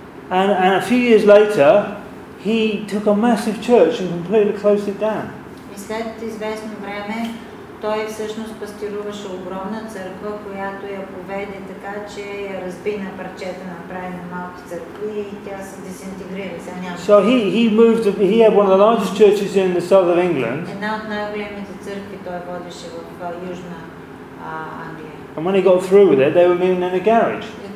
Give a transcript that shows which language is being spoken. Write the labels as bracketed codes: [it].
[en] And a few years later, he took a massive church and completely closed it down. [bg] И след известно време, той всъщност пастируваше огромна църква, която я поведе така, че я разби на парчета, направи на малки църкви и тя се дезинтегрира. [en] So he moved. He had one of the largest churches in the south of England. [bg] Една от най-големите църкви той водеше в Южна Англия. [en] And when he got through with it, they were meeting in a garage.